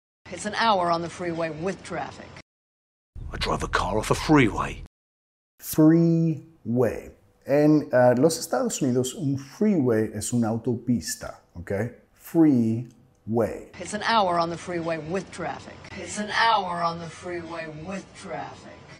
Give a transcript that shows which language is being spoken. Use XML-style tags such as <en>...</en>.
<en>It's an hour on the freeway with traffic. I drive a car off a freeway. Freeway.</en> <es>En los Estados Unidos, un freeway es una autopista, ¿ok? Freeway.</es> <en>way. It's an hour on the freeway with traffic. It's an hour on the freeway with traffic.</en>